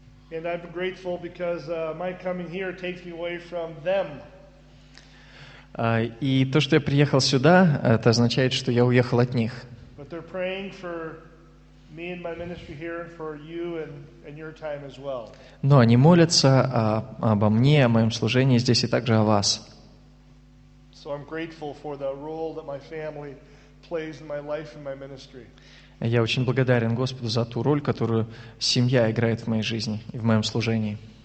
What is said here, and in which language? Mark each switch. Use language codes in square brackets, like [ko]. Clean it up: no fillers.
[en] And I'm grateful because my coming here takes me away from them. [ru] И то, что я приехал сюда, это означает, что я уехал от них. [en] But they're praying for me and my ministry here and for you and your time as well. [ru] Но они молятся обо мне, о моем служении здесь и также о вас. [en] So I'm grateful for the role that my family plays in my life and my ministry. [ru] Я очень благодарен Господу за ту роль, которую семья играет в моей жизни и в моем служении.